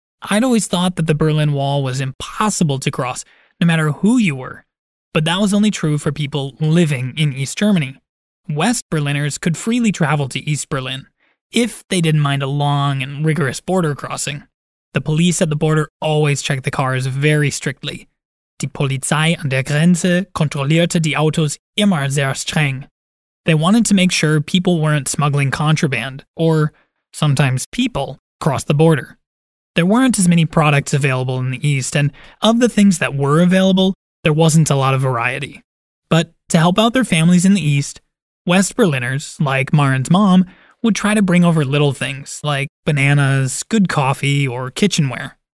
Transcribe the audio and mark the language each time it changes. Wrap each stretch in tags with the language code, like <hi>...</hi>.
<en>I'd always thought that the Berlin Wall was impossible to cross, no matter who you were. But that was only true for people living in East Germany. West Berliners could freely travel to East Berlin, if they didn't mind a long and rigorous border crossing. The police at the border always checked the cars very strictly.</en> <de>Die Polizei an der Grenze kontrollierte die Autos immer sehr streng.</de> <en>They wanted to make sure people weren't smuggling contraband, or sometimes people, across the border. There weren't as many products available in the East, and of the things that were available, there wasn't a lot of variety. But to help out their families in the East, West Berliners, like Maren's mom, would try to bring over little things, like bananas, good coffee, or kitchenware.</en>